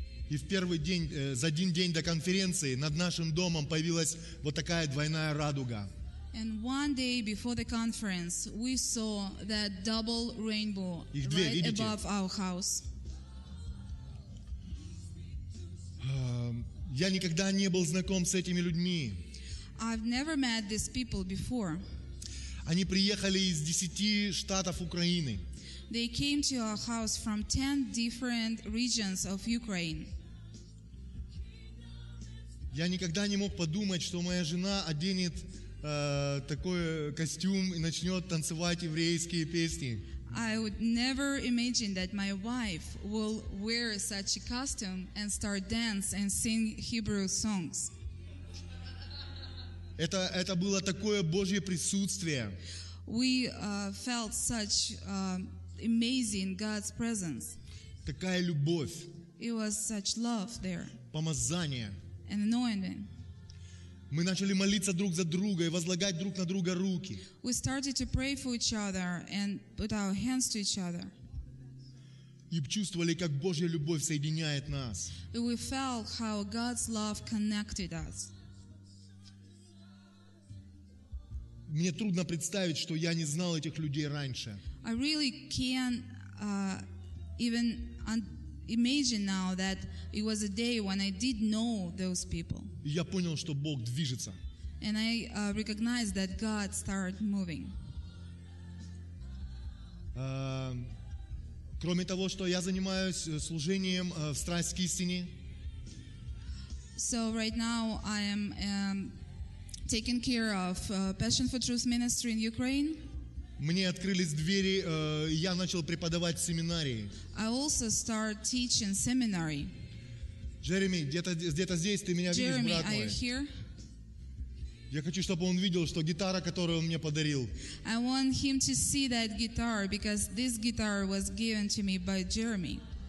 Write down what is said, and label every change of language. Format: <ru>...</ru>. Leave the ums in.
<ru>и в первый день, за один день до конференции над нашим домом появилась вот такая двойная радуга.</ru> <en>And one day before the conference, we saw that double rainbow</en> <ru>две,</ru> <en>right две, above our house.</en> <ru>Uh, я никогда не был знаком с этими людьми. Они приехали из десяти штатов Украины.</ru> <en>They came to our house from 10 different regions of Ukraine. I would never imagine that my wife will wear such a costume and start dance and sing Hebrew songs.</en> <ru>Это, это было такое Божье присутствие.</ru> <en>We uh, felt such uh, amazing God's presence. It was such love there.</en> <ru>Помазание.</ru> <en>anointing. We started to pray for each other and put our hands to each other. We felt how God's love connected us.</en> <ru>мне трудно представить, что я не знал этих людей раньше.</ru> <en>I really can't uh, even imagine now that it was a day when I did know those people.</en> <ru>Я понял, что Бог движется.</ru> <en>And I uh, recognized that God started moving.</en> <ru>Uh, кроме того, что я занимаюсь служением uh, в страсть к истине.</ru> <en>So right now I am um, taking care of uh, Passion for Truth ministry in Ukraine.</en> <ru>Мне открылись двери, uh, я начал преподавать семинарии.</ru> <en>I also start teaching seminary.</en> <ru>Джереми, где-то где-то здесь ты меня Jeremy, видишь, брат мой?</ru> <en>Are you here?</en> <ru>Я хочу, чтобы он видел, что гитара, которую он мне подарил.</ru> <en>I want him to see that guitar because this guitar was given to me by Jeremy.</en>